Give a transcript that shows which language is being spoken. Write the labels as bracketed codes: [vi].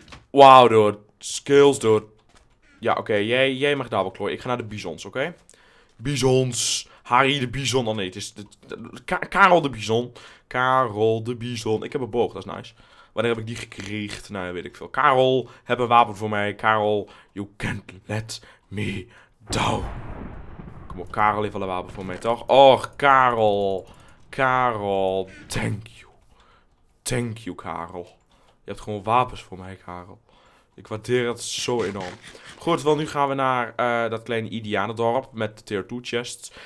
[nl] Wauw, dude. Skills, dude. Ja, oké. Okay. Jij mag daar wel klooien. Ik ga naar de bisons, oké? Okay? Bisons. Harry de bison. Oh nee, het is... Karel de bison. Karel de bison. Ik heb een boog, dat is nice. Wanneer heb ik die gekregen? Nou, weet ik veel. Karel, heb een wapen voor mij. [en] Karel, you can't let me down. [nl] Kom op, Karel heeft wel een wapen voor mij, toch? Oh, Karel. [en] Karel, thank you. Thank you, Karel. [nl] Je hebt gewoon wapens voor mij, Karel. Ik waardeer het zo enorm. Goed, wel, nu gaan we naar dat kleine Indianendorp met de tier 2 chests.